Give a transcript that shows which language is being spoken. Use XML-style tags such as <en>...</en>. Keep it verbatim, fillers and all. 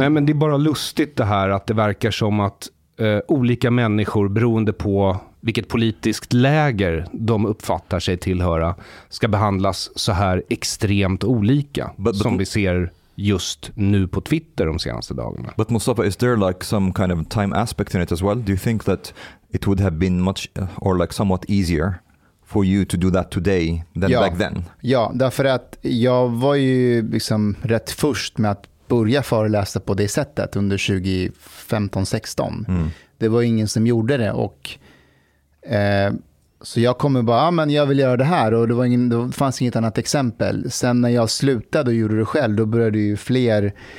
<sv>Nej, men det är bara lustigt det här att det verkar som att eh, olika människor beroende på vilket politiskt läger de uppfattar sig tillhöra ska behandlas så här extremt olika but, but, som vi ser just nu på Twitter de senaste dagarna.</sv> <en>But Mustafa, is there like some kind of time aspect in it as well? Do you think that it would have been much or like somewhat easier for you to do that today than</en> <sv>ja,</sv> <en>back then?</en> <sv>Ja, därför att jag var ju liksom rätt först med att börja föreläsa på det sättet under tjugofemton sexton. Mm. Det var ingen som gjorde det. Och, eh, så jag kommer bara, ah, men jag vill göra det här. Och det, var ingen, det fanns inget annat exempel. Sen när jag slutade och gjorde det själv, då började ju fler.</sv>